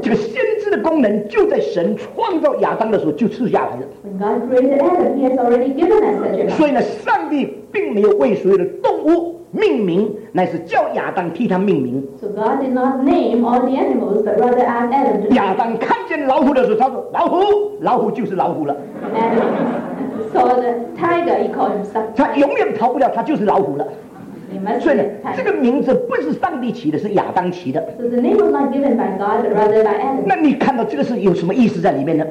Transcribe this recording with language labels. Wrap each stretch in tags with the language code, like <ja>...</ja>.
<zh>这个先知的功能就在神创造亚当的时候就赐下来了。</zh> <en>When God created Adam, He has already given us such a.</en> <zh>所以呢，上帝并没有为所有的动物命名，乃是叫亚当替他命名。</zh> <en>So God did not name all the animals, but rather asked Adam to.</en> <zh>亚当看见老虎的时候，他说：“老虎，老虎就是老虎了。”</zh> <en>So the tiger, he called himself.</en> <zh>他永远逃不了，他就是老虎了。所以呢，这个名字不是上帝起的，是亚当起的。</zh> <en>So the name was not given by God, but rather by Adam.</en> <zh>那你看到这个是有什么意思在里面呢？</zh>